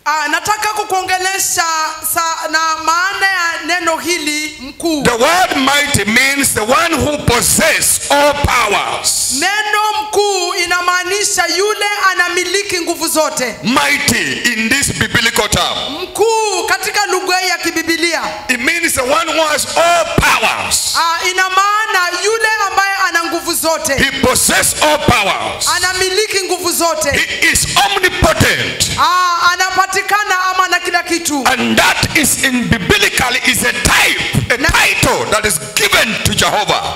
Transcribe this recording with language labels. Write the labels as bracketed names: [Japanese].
[Swahili] Nataka kukuongelesha na maana ya neno hili mkuu. [English] The word mighty means the one who possesses all powers. [Swahili] Neno mkuu inamaanisha yule anamiliki nguvu zote. [English] Mighty in this biblical term. [Swahili] Mkuu katika lugha ya kibiblia. [English] It means the one who has all powers. [Swahili] Ina maana yule ambaye ana nguvu zote. [English] He possesses all powers. [Swahili] Anamiliki nguvu zote. [English] He is omnipotent. [Swahili] Anapatikana ama na kila kitu. [English] And that is in biblically is a type, a title that is given to Jehovah.